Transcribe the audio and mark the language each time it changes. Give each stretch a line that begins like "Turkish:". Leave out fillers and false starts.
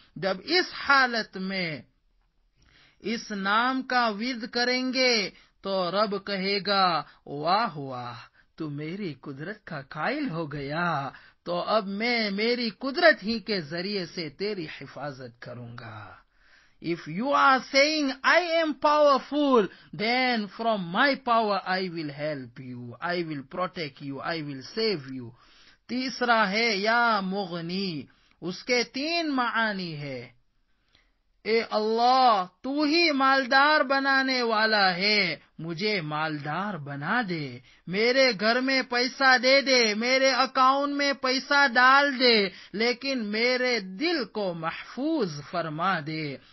Urdu: جب اس حالت میں اس نام کا ورد کریں گے تو رب کہے گا واہ واہ, تو میری قدرت کا قائل ہو گیا, تو اب میں میری قدرت ہی کے ذریعے سے تیری حفاظت کروں گا.
English: If you are saying I am powerful, then from my power I will help you, I will protect you, I will save you.
Urdu: تیسرا ہے یا مغنی, اس کے تین معانی ہے. اے اللہ تو ہی مالدار بنانے والا ہے, مجھے مالدار بنا دے, میرے گھر میں پیسہ دے دے, میرے اکاؤنٹ میں پیسہ ڈال دے, لیکن میرے دل کو محفوظ فرما دے.